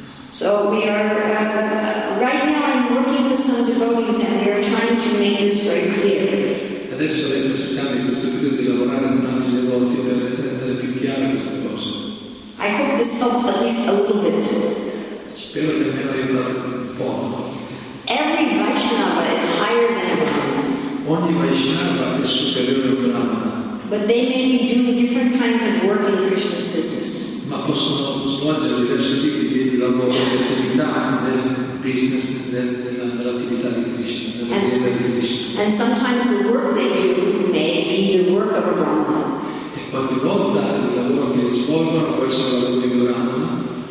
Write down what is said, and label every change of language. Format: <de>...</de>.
<en>So we are right now I'm working with some devotees and they are trying to make this very clear.</en> <it>Adesso le sto cercando in questo video di lavorare con altri devoti per rendere più chiara questa cosa.</it> <en>I hope this helped at least a little bit.</en> <it>Spero che mi abbia aiutato un po'.</it> <en>Every Vaishnava is higher than a Brahmana.</en> <it>Ogni Vaishnava è superiore a Brahmana.</it> <en>But they may be doing different kinds of work in Krishna's business.</en> <it>Ma possono svolgere diversi tipi di lavoro di attività nel business dell'attività di Krishna, nell'azienda di Krishna.</it> <en>And sometimes the work they do may be the work of a Brahmana.</en> <it>E qualche volta il lavoro che svolgono può essere quello di Brahmana.</it>